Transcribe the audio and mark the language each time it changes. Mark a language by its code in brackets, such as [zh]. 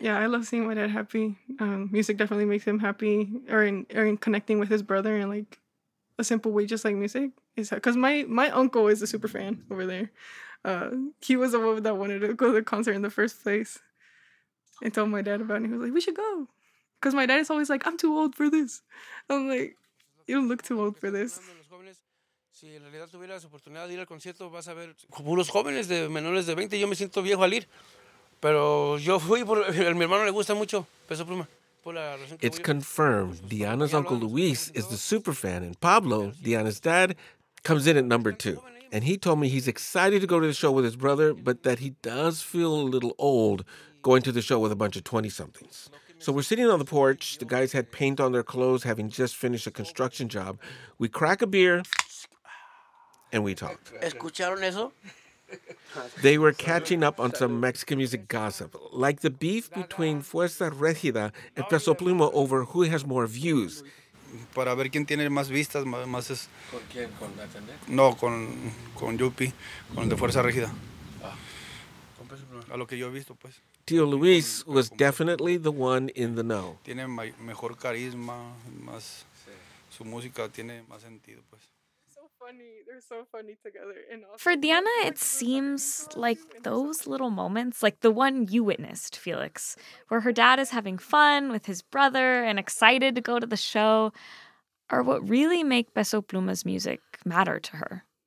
[en] Yeah, I love seeing my dad happy. Music definitely makes him happy, or in connecting with his brother in, like, a simple way, just like music. Because my uncle is a super fan over there. He was the one that wanted to go to the concert in the first place. And told my dad about it, and he was like, we should go. Because my dad is always like, I'm too old for this. I'm like, you don't look too old for this. [es] Si en realidad tuvieras oportunidad de ir al concierto, vas a ver puros jóvenes de menores de 20. Yo me siento viejo al ir, pero yo fui por mi hermano le gusta mucho Peso Pluma. [en] It's confirmed. Diana's uncle Luis is the super fan, and Pablo, Diana's dad, comes in at number two. And he told me he's excited to go to the show with his brother, but that he does feel a little old going to the show with a bunch of 20-somethings. So we're sitting on the porch. The guys had paint on their clothes, having just finished a construction job. We crack a beer. And we talked. [es] ¿Escucharon eso? [en] They were catching up on some Mexican music gossip, like the beef between Fuerza Regida and Peso Pluma over who has more views. [es] Para ver quién tiene más vistas, más es... ¿Con quién? ¿Con Atende? No, con Yupi, con de Fuerza Regida. Con Peso Pluma. A lo que yo he visto, pues. [en] Tío Luis was definitely the one in the know. [es] Tiene mejor carisma, más... Su música tiene más sentido, pues. [en] Funny. They're so funny together. For Diana, it seems like those little moments, like the one you witnessed, Felix, where her dad is having fun with his brother and excited to go to the show, are what really make Peso Pluma's music matter to her.